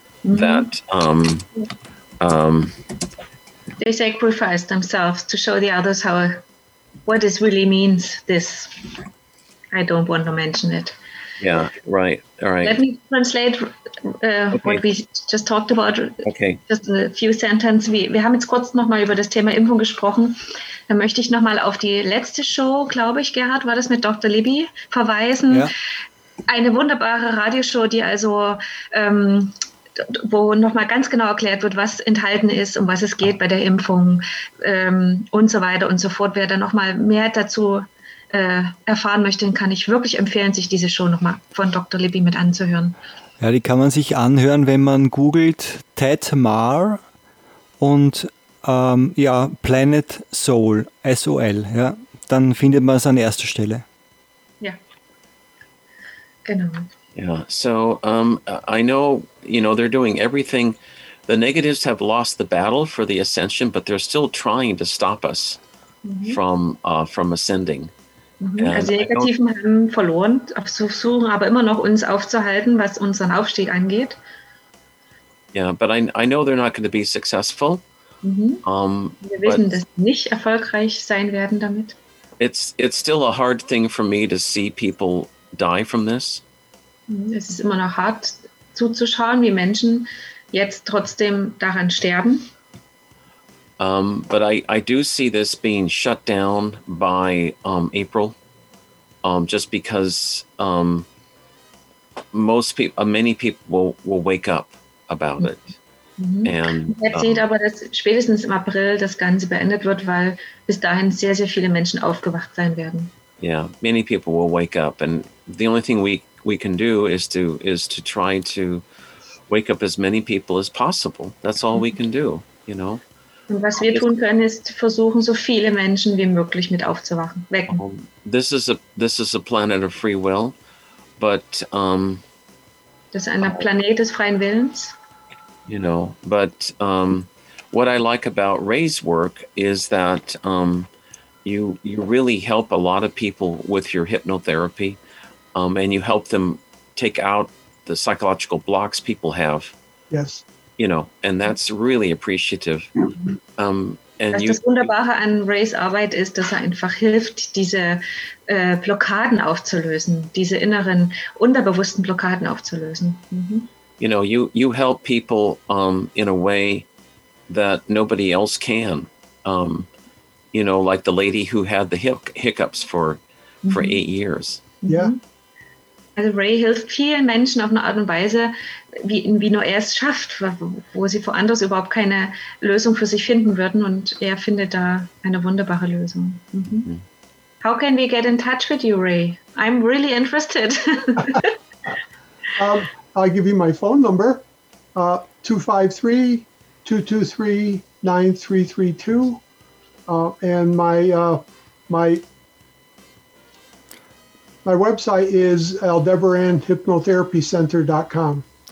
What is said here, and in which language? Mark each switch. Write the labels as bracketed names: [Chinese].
[English] Mm-hmm. That they sacrifice themselves to show the others what this really means. This, I don't want to mention it. Yeah, right. All right. Let me translate what we just talked about. Okay. Just a few sentences. [German] Wir haben jetzt kurz nochmal über das Thema Impfung gesprochen. Dann möchte ich nochmal auf die letzte Show, glaube ich, Gerhard, war das mit Dr. Libby, verweisen. Ja. Eine wunderbare Radioshow, die also wo nochmal ganz genau erklärt wird, was enthalten ist und was es geht bei der Impfung und so weiter und so fort. Wer da nochmal mehr dazu erfahren möchte, kann ich wirklich empfehlen, sich diese Show nochmal von Dr. Libby mit anzuhören. Ja, die kann man sich anhören, wenn man googelt Ted Marr und Planet Soul, S-O-L. Ja? Dann findet man es an erster Stelle. Ja, genau. [English] Yeah, so I know, you know, they're doing everything. The negatives have lost the battle for the ascension, but they're still trying to stop us from ascending. Mm-hmm. [German] Also die Negativen haben verloren, versuchen aber immer noch uns aufzuhalten, was unseren Aufstieg angeht. [English] Yeah, but I know they're not going to be successful. Mm-hmm. [German] Wir wissen, dass sie nicht erfolgreich sein werden damit. [English] It's still a hard thing for me to see people die from this. [German] Es ist immer noch hart zuzuschauen, wie Menschen jetzt trotzdem daran sterben. [English] But I do see this being shut down by April, just because many people will wake up about it. Mm-hmm. And, [German] jetzt sieht aber, dass spätestens im April das Ganze beendet wird, weil bis dahin sehr, sehr viele Menschen aufgewacht sein werden. [English] Yeah, many people will wake up, and the only thing we can do is to try to wake up as many people as possible. That's all we can do, you know. [German] Und was wir tun können, ist versuchen, so viele Menschen wie möglich mit aufzuwachen, wecken. [English] This is a planet of free will, but [German] das ist ein Planet des freien Willens. [English] You know, but what I like about Ray's work is that you really help a lot of people with your hypnotherapy. And you help them take out the psychological blocks people have. Yes. You know, and that's really appreciative. [German] Das Wunderbare an Rays Arbeit ist, dass einfach hilft, diese Blockaden aufzulösen, diese inneren, unterbewussten Blockaden aufzulösen. Mm-hmm. [English] You know, you help people in a way that nobody else can. You know, like the lady who had the hiccups for 8 years. Yeah. [German] Also Ray hilft vielen Menschen auf eine Art und Weise, wie nur er es schafft, wo sie woanders überhaupt keine Lösung für sich finden würden. Und er findet da eine wunderbare Lösung. Mm-hmm. [English] How can we get in touch with you, Ray? I'm really interested. I'll give you my phone number, 253-223-9332. And my website is aldebaranhypnotherapycenter.com.